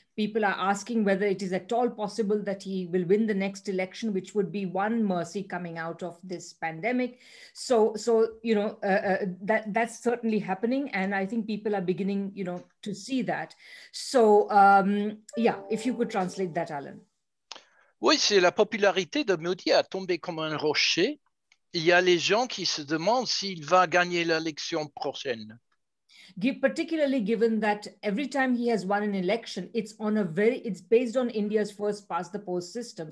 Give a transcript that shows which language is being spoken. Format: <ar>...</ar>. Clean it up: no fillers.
<en>People are asking whether it is at all possible that he will win the next election, which would be one mercy coming out of this pandemic. So that's certainly happening, and I think people are beginning, you know, to see that. If you could translate that, Alan.</en> <fr>Oui, c'est la popularité de Modi a tombé comme un rocher. Il y a les gens qui se demandent s'il va gagner l'élection prochaine.</fr> <en>Particularly given that every time he has won an election, it's based on India's first past the post system.</en>